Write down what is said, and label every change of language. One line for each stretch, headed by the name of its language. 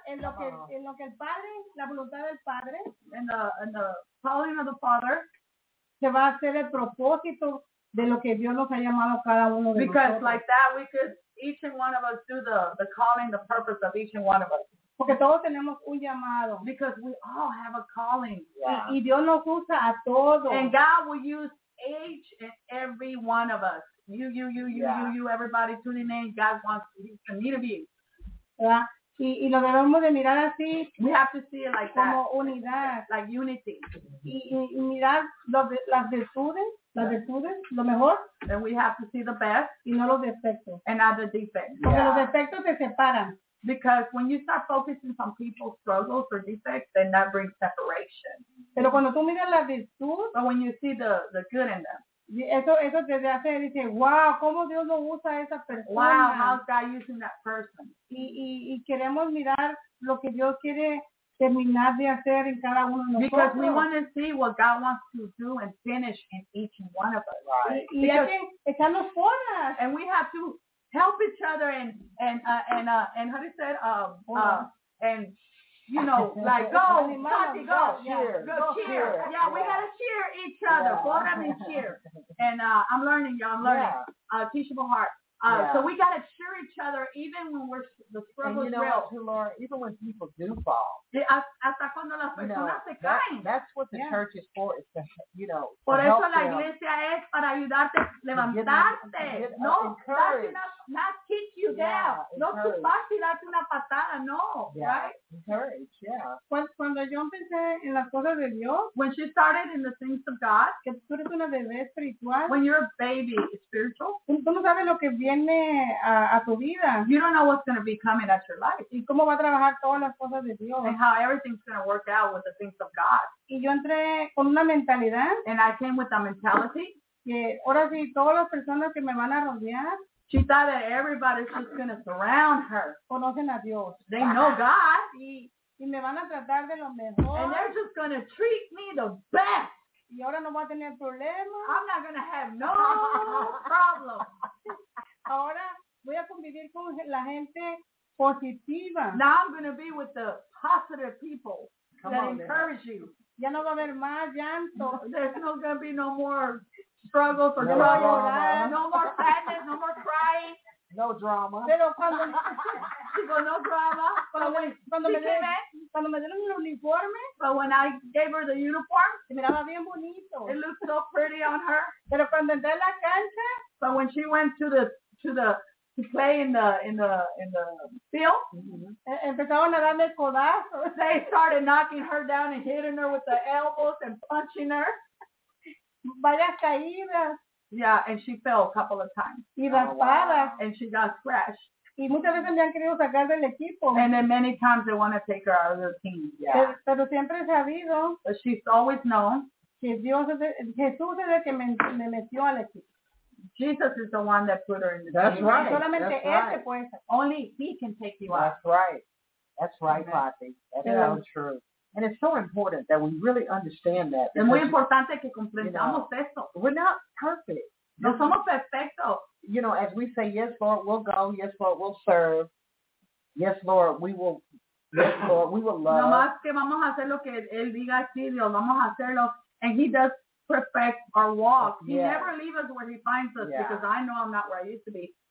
Spanish: en lo que el Padre, la voluntad del Padre,
English: and the calling of the Father,
Spanish: que va a ser el propósito de lo que Dios nos ha llamado cada uno de
English: because
Spanish: nosotros.
English: Like that, we could each and one of us do the calling, the purpose of each and one of us.
Spanish: Porque todos tenemos un llamado.
English: Because we all have a calling.
Spanish: Yeah. Y Dios nos usa a todos.
English: And God will use each and every one of us. You, everybody tuning in. God wants to meet you.
Spanish: Yeah. Y lo debemos de mirar así.
English: We have to see it like
Spanish: como
English: that.
Spanish: Como unidad.
English: Like unity.
Spanish: Y mirar las virtudes. Las virtudes, lo mejor.
English: And we have to see the best.
Spanish: Y no los defectos.
English: And not the defects.
Spanish: Porque los defectos se separan.
English: Because when you start focusing on people's struggles or defects, then that brings separation.
Spanish: Pero cuando tú miras las virtudes.
English: But when you see the good in them.
Spanish: Eso te hace decir, wow, cómo Dios lo usa a esa persona.
English: Wow, how's God using that person.
Spanish: Y queremos mirar lo que Dios quiere terminar de hacer en cada uno de nosotros.
English: Because we want to see what God wants to do and finish in each one of us. Right.
Spanish: Y hay que echarnos porras.
English: And we have to help each other and how do you say it? And you know, like go, Tati, go, cheer. Yeah, we gotta cheer each other. Porra means cheer. And I'm learning, y'all. I'm learning. Yeah. Teachable heart. Yeah. So we gotta cheer each other even when we're the struggle and you know is real. What, too, Laura, even when people do fall.
Spanish: Hasta cuando las personas se caen.
English: That's what the church is for. It's to, you know.
Spanish: Por
English: to
Spanish: eso
English: help them.
Spanish: Iglesia es para ayudarte a levantarte. No,
English: not kick you down. Yeah,
Spanish: no, fácil darte una patada. No,
English: yeah. Right? Encourage. Yeah.
Spanish: Cuando yo empecé en las cosas de Dios.
English: When she started in the things of God.
Spanish: Que tú eres una bebé espiritual.
English: When you're a baby spiritual.
Spanish: ¿Tú no sabes lo que viene? viene a tu vida.
English: You don't know what's going to be coming at your life.
Spanish: Y cómo va a trabajar todas las cosas de Dios.
English: And how everything's going to work out with the things of God.
Spanish: Y yo entré con una mentalidad.
English: And I came with a mentality.
Spanish: Que ahora sí, todas las personas que me van a rodear.
English: She thought that everybody's just going to surround her.
Spanish: Conocen a Dios.
English: They know God.
Spanish: Y me van a tratar de lo mejor.
English: And they're just going to treat me the best.
Spanish: Y ahora no voy a tener problemas.
English: I'm not going to have no problem.
Spanish: Ahora voy a convivir con la gente positiva.
English: Now I'm going to be with the positive people. Come that on, encourage man. You.
Spanish: Ya no va a haber más llanto.
English: There's not going to be no more struggles or no drama. No more sadness, no more crying. No drama.
Spanish: Pero cuando digo no drama, cuando me dieron el uniforme,
English: but when I gave her the uniform,
Spanish: se miraba bien bonito.
English: It looked so pretty on her.
Spanish: Pero cuando entré a la cancha,
English: but when she went to play in the field,
Spanish: mm-hmm. Empezaron a darle codazos.
English: They started knocking her down and hitting her with the elbows and punching her.
Spanish: Vaya caída.
English: Yeah, and she fell a couple of times.
Spanish: Y raspada. Oh, wow.
English: And she got scratched.
Spanish: Y muchas veces me han querido sacar del equipo.
English: And then many times they want to take her out of the team. Yeah.
Spanish: Pero siempre se ha habido.
English: But she's always known.
Spanish: Que Dios es Jesús es el que me metió al equipo.
English: Jesus is the one that put her in the That's team. Right.
Spanish: Solamente
English: That's
Spanish: él
English: right.
Spanish: Se puede sacar.
English: Only he can take you That's out. That's right. That's right, Patty. That is so true. And it's so important that we really understand that.
Spanish: Es muy importante que comprendamos esto.
English: We're not perfect.
Spanish: No somos perfectos.
English: You know, as we say, yes, Lord, we'll go. Yes, Lord, we'll serve. Yes, Lord, we will. Yes, Lord, we will love.
Spanish: No más que vamos a hacer lo que él diga, sí, Dios, vamos a hacerlo.
English: And he does perfect our walk. Yes. He never leaves us where he finds us yeah. because I know I'm not where I used to be.